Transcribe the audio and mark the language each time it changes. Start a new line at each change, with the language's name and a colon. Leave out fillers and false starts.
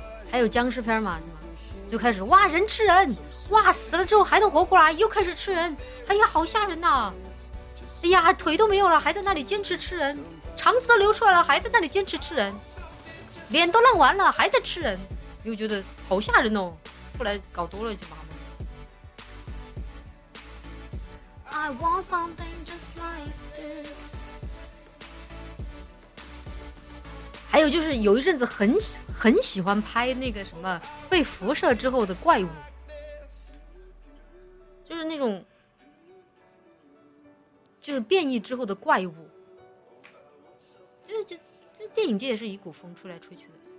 Chinese: 还有僵尸片嘛，是吗？就开始哇人吃人，哇死了之后还能活过来，又开始吃人，哎呀好吓人呐、啊！哎呀腿都没有了还在那里坚持吃人，肠子都流出来了还在那里坚持吃人，脸都烂完了还在吃人，又觉得好吓人哦。后来搞多了就麻木了。
English: I want something just like this。
Chinese: 还有就是有一阵子很喜欢拍那个什么被辐射之后的怪物，就是那种就是变异之后的怪物，就电影界也是一股风吹来吹去的。